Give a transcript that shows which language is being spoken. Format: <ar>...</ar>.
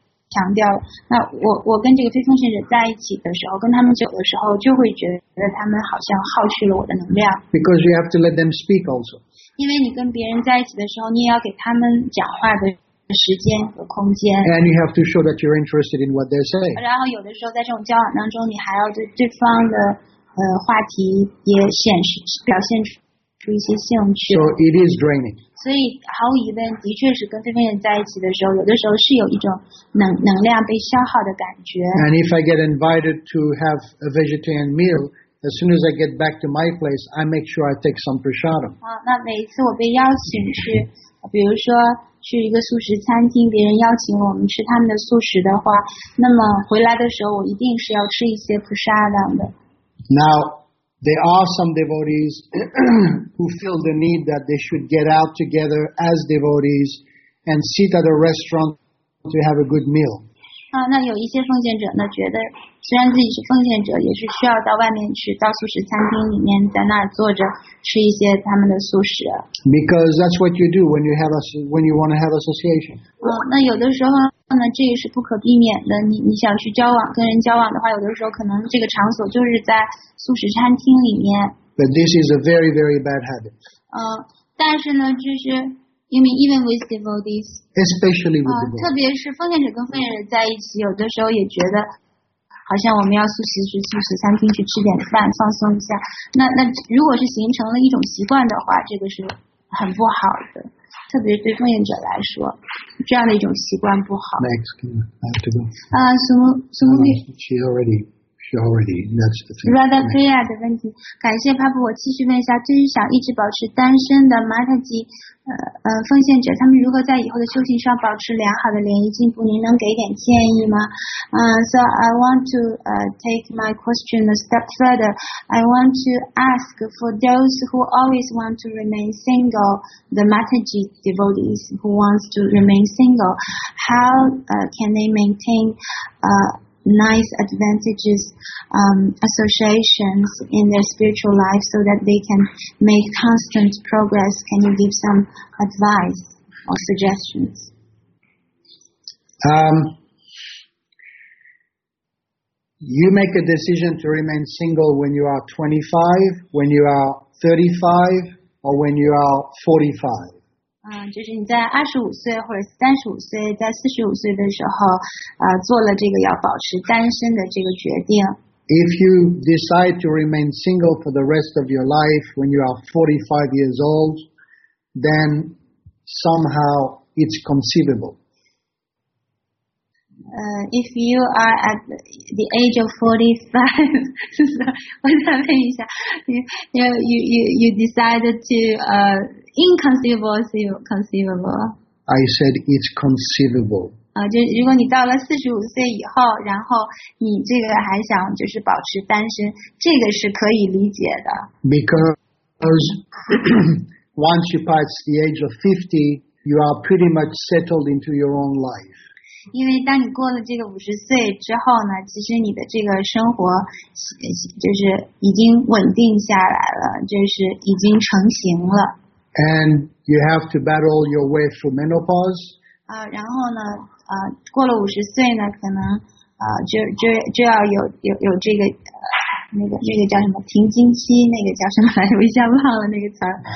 <zh>强调那我跟这个非奉献者在一起的时候，跟他们久的时候，就会觉得他们好像耗去了我的能量。</zh> <en>Because you have to let them speak also.</en> <zh>因为你跟别人在一起的时候，你也要给他们讲话的时间和空间。</zh> <en>And you have to show that you're interested in what they say.</en> <zh>然后有的时候在这种交往当中，你还要对对方的话题也表现出一些兴趣。</zh> <en>So it is draining.</en> <zh>所以毫无疑问的确是跟非分人在一起的时候，有的时候是有一种 能量被消耗的感觉。</zh> <en>And if I get invited to have a vegetarian meal, as soon as I get back to my place, I make sure I take some prasadam.</en> <zh>那每一次我被邀请去，比如说去一个素食餐厅，别人邀请我们吃他们的素食的话，那么回来的时候我一定是要吃一些 prasadam 的。</zh> <en>Now,There are some devotees who feel the need that they should get out together as devotees and sit at a restaurant to have a good meal.</en> <zh>那有一些奉献者呢，觉得虽然自己是奉献者，也是需要到外面去，到素食餐厅里面，在那儿坐着吃一些他们的素食。</zh> <en>Because that's what you do when you want to have association.</en> <zh>那有的时候呢，这也是不可避免的。你想去交往，跟人交往的话，有的时候可能这个场所就是在素食餐厅里面。</zh> <en>But this is a very, very bad habit.</en> <zh>但是呢，就是。</zh> <en>You mean even with devotees, especially with devotees,</en> <zh>特别是奉献者跟奉献者在一起，有的时候也觉得，好像我们要素食餐厅去吃点饭，放松一下。那如果是形成了一种习惯的话，这个是很不好的，特别对奉献者来说，这样的一种习惯不好。</zh> <en>Next, I have to go. Sumuvi. She already. That's the thing.</en> <zh>Radha Priya 的问题，感谢帕布，我继续问一下，就是想一直保持单身的 Mataji。奉献者他们如何在以后的修行上保持良好的联谊进步，您能给点建议吗？</zh> <en>So I want to take my question a step further. I want to ask for those who always want to remain single, the Mataji devotees who wants to remain single, how can they maintain nice advantages associations in their spiritual life so that they can make constant progress? Can you give some advice or suggestions? You make a decision to remain single when you are 25, when you are 35, or when you are 45.</en> <zh>就是你在25岁或者35岁，在45岁的时候，做了这个要保持单身的这个决定。</zh> <en>If you decide to remain single for the rest of your life when you are 45 years old, then somehow it's conceivable. If you are at the age of 45,</en> <zh>我再问一下</zh> <en>，you decided to Inconceivable is conceivable. I said it's conceivable.</en> <zh>就如果你到了45岁以后，然后你这个还想就是保持单身，这个是可以理解的。</zh> <en>Because once you pass the age of 50, you are pretty much settled into your own life.</en> <zh>因为当你过了这个五十岁之后呢，其实你的这个生活就是已经稳定下来了，就是已经成型了。</zh> <en>And you have to battle your way through menopause.</en> <zh>啊，然后呢，过了五十岁呢，可能就要有这个。那个叫什么停经期，那个叫什么来着？我一下忘了那个词儿。</zh>